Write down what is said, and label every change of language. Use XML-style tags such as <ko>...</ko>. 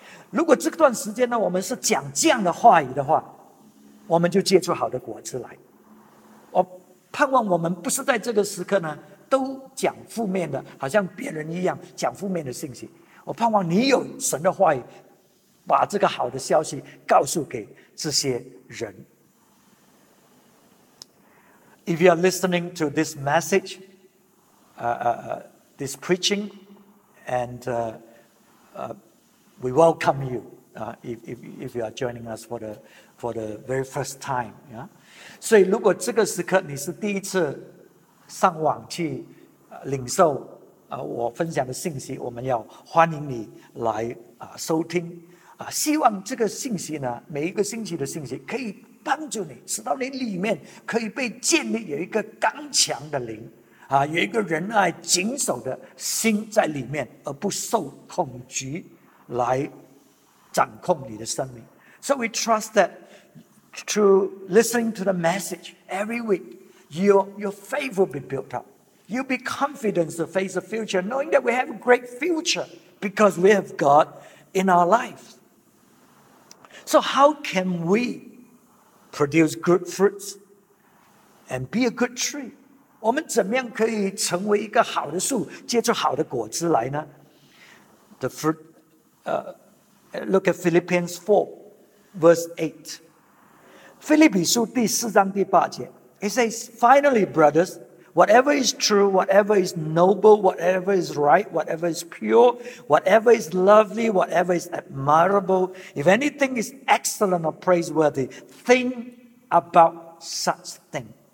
<zh>如果这段时间呢，我们是讲这样的话语的话，我们就结出好的果子来。我盼望我们不是在这个时刻呢，都讲负面的，好像别人一样讲负面的信息。我盼望你有神的话语，把这个好的消息告诉给这些人。</zh> <en>If you are listening to this message, this preaching, and we welcome you if you are joining us for the very first time. Yeah?</en> <zh>所以如果这个时刻你是第一次上网去领受我分享的信息，我们要欢迎你来收听。希望这个信息呢，每一个星期的信息可以帮助你，使到你里面可以被建立有一个刚强的灵啊，有一个仁爱谨守的心在里面，而不受恐惧来掌控你的生命。</zh> <en>So we trust that through listening to the message every week, your faith will be built up. You'll be confident to face the future, knowing that we have a great future because we have God in our life. So how can we produce good fruits and be a good tree?</en> <zh>我们怎么样可以成为一个好的树，结出好的果子来呢？</zh> <en>The fruit, look at Philippians 4, verse 8.</en> <zh>腓立比书第四章第八节。</zh> <en>It says, finally, brothers, whatever is true, whatever is noble, whatever is right, whatever is pure, whatever is lovely, whatever is admirable, if anything is excellent or praiseworthy, think about such thing.</en>